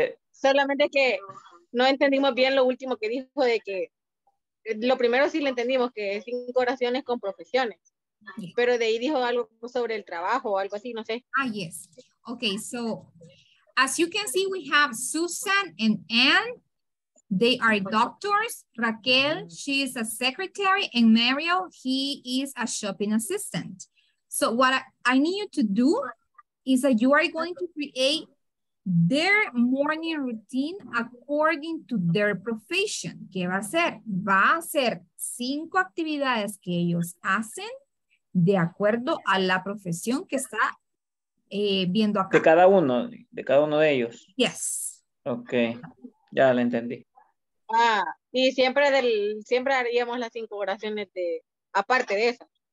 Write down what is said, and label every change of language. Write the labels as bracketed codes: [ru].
[es] Solamente que no entendimos bien lo último que dijo de que. Lo primero sí le entendimos, que es 5 oraciones con profesiones. Yes. Pero de ahí dijo algo sobre el trabajo o algo así, no sé. [en] Ah, yes. Okay, so as you can see, we have Susan and Anne. They are doctors. Raquel, she is a secretary. And Mario, he is a shopping assistant. So what I need you to do is that you are going to create their morning routine according to their profession. [es] ¿Qué va a hacer? Va a hacer 5 actividades que ellos hacen de acuerdo a la profesión que está viendo acá. De cada uno de ellos. [en] Yes. [es] Ok, ya la entendí. Ah, y siempre haríamos las 5 oraciones de aparte de eso.